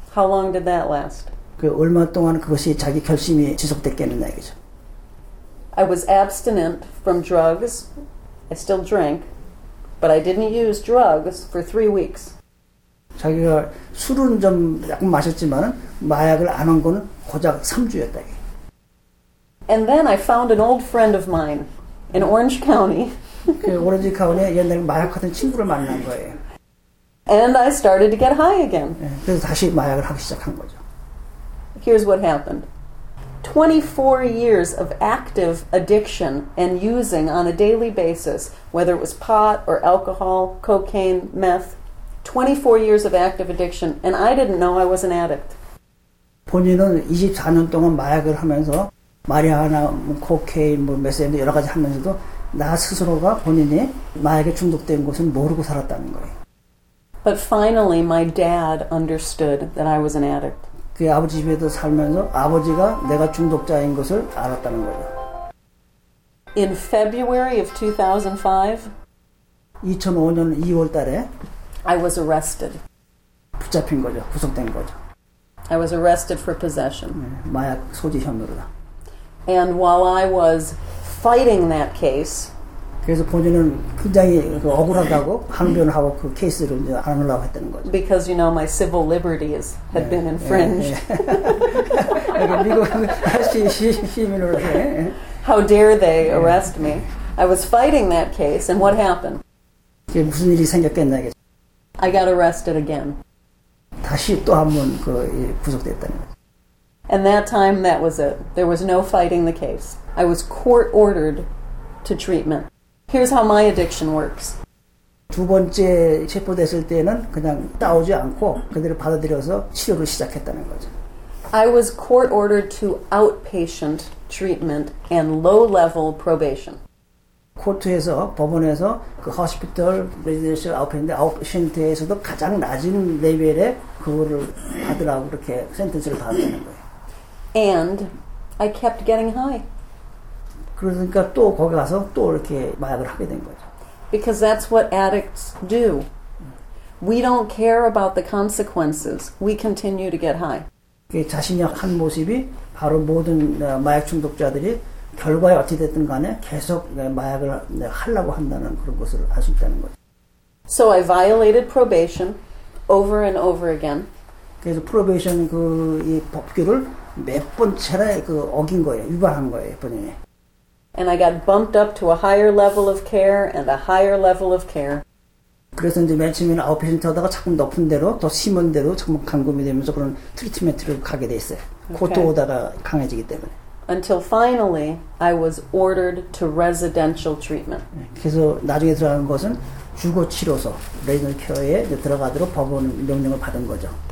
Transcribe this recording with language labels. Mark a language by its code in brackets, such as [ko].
[en] How long did that last? [ko] 얼마 동안 그것이 자기 결심이 지속됐겠느냐 이거죠. [en] I was abstinent from drugs. I still drank. But I didn't use drugs for 3 weeks. [ko] 자기가 술은 좀 약간 마셨지만 마약을 안 한 거는 고작 3주였다. [en] And then I found an old friend of mine in Orange County. [ko] 오렌지 카운티에 옛날에 마약하던 친구를 만난 거예요. [en] And I started to get high again. [ko] 그래서 다시 마약을 하기 시작한 거죠. [en] Here's what happened. 24 years of active addiction and using on a daily basis, whether it was pot or alcohol, cocaine, meth, 24 years of active addiction, and I didn't know I was an addict. [ko] 본인은 24년 동안 마약을 하면서 마리아나, 코케인, 뭐 메스앤도 여러 가지 하면서도 나 스스로가 본인이 마약에 중독된 것은 모르고 살았다는 거예요. [en] But finally, my dad understood that I was an addict. [ko] 그 아버지 집에서 살면서 아버지가 내가 중독자인 것을 알았다는 거예요. [en] In February of 2005. [ko] 2005년 2월 달에 [en] I was arrested. [ko] 붙잡힌 거죠. 구속된 거죠. [en] I was arrested for possession. [ko] 네, 마약 소지 혐의로. [en] And while I was fighting that case, [ko] 그래서 본인은 굉장히 그 억울하다고 항변하고 그 케이스를 이제 안 하려고 했다는 거죠. [en] Because you know my civil liberties had [ko] 네, [en] been infringed. [ko] 네, 네. 미국 시민으로서. 네. [en] How dare they arrest [ko] 네. [en] me? I was fighting that case, and what happened? [ko] 이게 무슨 일이 생겼겠나 이게. [en] I got arrested again. [ko] 다시 또 한 번 그 구속됐다는 거죠. [en] And that time, that was it. There was no fighting the case. I was court-ordered to treatment. Here's how my addiction works. [ko] 두 번째 체포됐을 때는 그냥 싸우지 않고 그대로 받아들여서 치료를 시작했다는 거죠. [en] I was court-ordered to outpatient treatment and low-level probation. [ko] 코트에서 법원에서 그 [en] hospital, residential, outpatient [ko] 에서도 가장 낮은 레벨의 그거를 받으라고 그렇게 sentence를 받았다는 거예요. [en] And I kept getting high. [ko] 그러니까 또 거기 가서 또 이렇게 마약을 하게 된 거죠. [en] Because that's what addicts do. We don't care about the consequences. We continue to get high. [ko] 자신이 한 모습이 바로 모든 마약 중독자들이 결과에 어찌 됐든 간에 계속 마약을 하려고 한다는 그런 것을 알 수 있다는 거죠. [en] So I violated probation over and over again. [ko] 그래서 프로베이션 그 이 법규를 몇 번 차례 그 어긴 거예요. 위반한 거예요, 본인이. [en] And I got bumped up to a higher level of care and a higher level of care. [ko] 그래서 이제 맨 처음에는 아웃페이션트 하다가 자꾸 높은 대로 더 심한 대로 자꾸 감금이 되면서 그런 트리트먼트를 가게 돼 있어요. 코트 okay. 오다가 강해지기 때문에. [en] Until finally, I was ordered to residential treatment. [ko] 그래서 나중에 들어간 것은 주거치료소, 레지던트 케어에 들어가도록 법원 명령을 받은 거죠.